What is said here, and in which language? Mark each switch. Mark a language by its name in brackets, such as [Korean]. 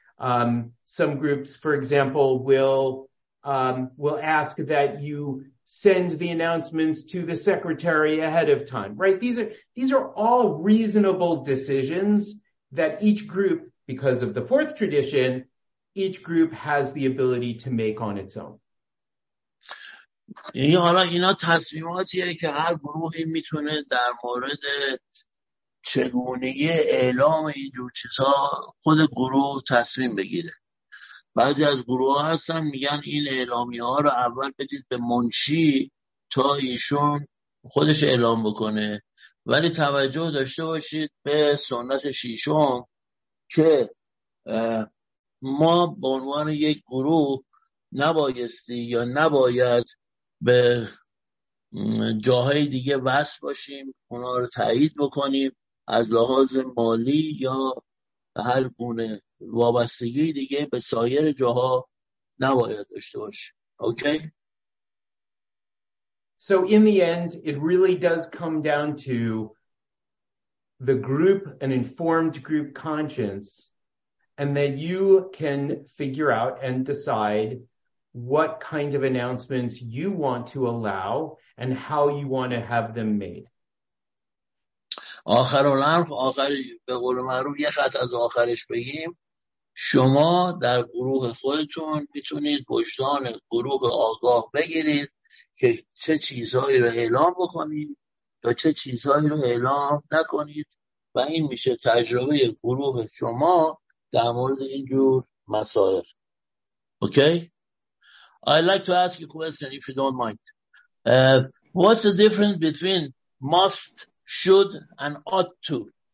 [English] Some groups, for example, will ask that you send the announcements to the secretary ahead of time, right? These are all reasonable decisions that each group, because of the fourth tradition, each group has the ability to make on its own. [Persian] این حالا اینا تصمیماتیه که هر گروهی میتونه در مورد چگونگی اعلام اینجور چیزها خود گروه تصمیم بگیره. بعضی از گروه ها هستن میگن این اعلامیه ها رو اول بدید به منشی تا ایشون خودش اعلام بکنه. ولی توجه داشته باشید به سنت شیشم که ما به عنوان یک گروه نبایستی یا نباید به جاهای دیگه وصل باشیم، اونا رو تایید بکنیم از لحاظ مالی یا هر گونه وابستگی دیگه به سایر جاها نباید داشته باشیم. [English] Okay? So in the end, it really does come down to the group, an informed group conscience, and that you can figure out and decide what kind of announcements you want to allow and how you want to have them made. [Persian] آخر الامر، آخر به قول معروف یه خط از آخرش بگیم، شما در گروه خودتون میتونید پشتان گروه آگاه بگیرید که چه چیزهایی رو اعلام بکنید یا چه چیزهایی رو اعلام نکنید و این میشه تجربه گروه شما در مورد اینجور مسائل. [English] Okay? I'd like to ask you a question if you don't mind. What's the difference between must, should and ought to?